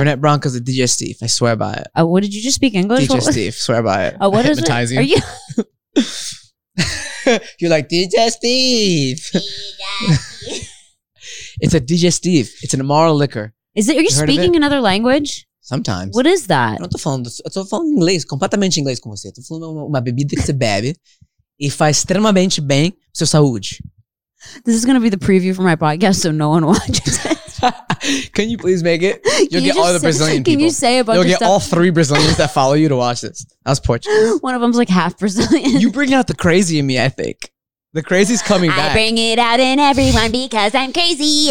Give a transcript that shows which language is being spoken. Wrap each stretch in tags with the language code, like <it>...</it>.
<en>Fernet Branc is a digestif. I swear by it. What did you just speak English? Digestif. Swear by it. Oh, what is it? Are you? You're like digestif. It's a digestif. It's an Amaro liquor. Is it? Are you speaking another language? Sometimes. What is that?</en> <pt>Eu não tô falando. Eu tô falando inglês, completamente inglês com você. Tô falando uma bebida que você bebe e faz extremamente bem seu saúde.</pt> <en>This is going to be the preview for my podcast, so no one watches it. Can you please make it? You'll get all the Brazilian people. Can you say a bunch of stuff? You'll get all three Brazilians that follow you to watch this. That's Portuguese. One of them's like half Brazilian. You bring out the crazy in me, I think. The crazy's coming back. I bring it out in everyone because I'm crazy.</en>